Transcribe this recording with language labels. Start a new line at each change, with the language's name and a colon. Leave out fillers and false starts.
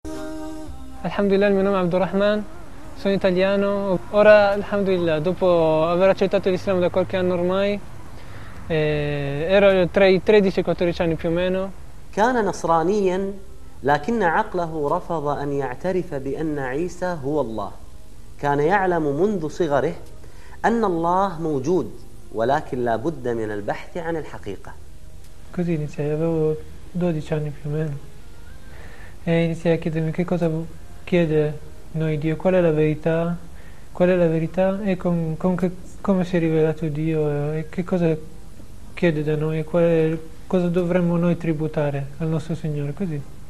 Italian: Alhamdulillah, il mio nome è Abdurrahman, sono italiano. Ora, alhamdulillah, dopo aver accettato l'Islam da qualche anno ormai, ero tra i 13 e i 14 anni più o meno.
Arabic: كان نصرانيا لكن عقله رفض أن يعترف بأن عيسى هو الله. كان يعلم منذ صغره أن الله موجود ولكن لا بد من البحث عن الحقيقة.
Italian: Così iniziai, avevo 12 anni più o meno. E iniziai a chiedermi che cosa chiede noi Dio, qual è la verità, qual è la verità e come si è rivelato Dio e che cosa chiede da noi e cosa dovremmo noi tributare al nostro Signore, così.